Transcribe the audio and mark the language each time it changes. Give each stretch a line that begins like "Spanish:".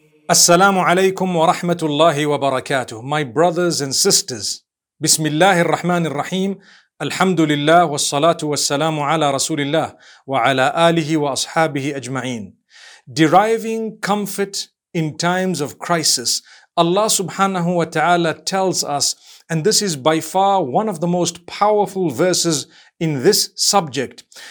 Arabic: السلام عليكم ورحمة الله وبركاته.
English: My brothers and sisters,
Arabic: بسم الله الرحمن الرحيم. الحمد لله والصلاة والسلام على رسول الله وعلى آله وأصحابه أجمعين.
English: Deriving comfort in times of crisis, Allah subhanahu wa ta'ala tells us, and this is by far one of the most powerful verses in this subject.